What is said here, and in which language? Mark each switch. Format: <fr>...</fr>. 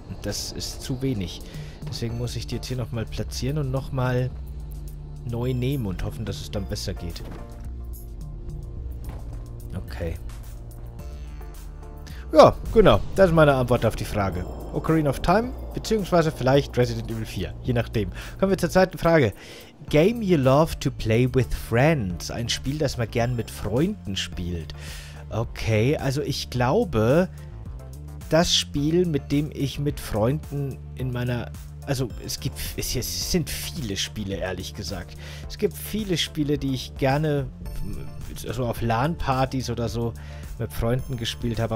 <de>Das ist zu wenig. Deswegen muss ich die jetzt hier nochmal platzieren und nochmal neu nehmen und hoffen, dass es dann besser geht. Okay. Ja, genau. Das ist meine Antwort auf die Frage. Ocarina of Time, beziehungsweise vielleicht Resident Evil 4, je nachdem. Kommen wir zur zweiten Frage.</de> <en>Game you love to play with friends.</en> <de>Ein Spiel, das man gern mit Freunden spielt. Okay, also ich glaube, das Spiel, mit dem ich mit Freunden in meiner... Also es sind viele Spiele, ehrlich gesagt. Es gibt viele Spiele, die ich gerne so auf LAN-Partys oder so mit Freunden gespielt habe.</de>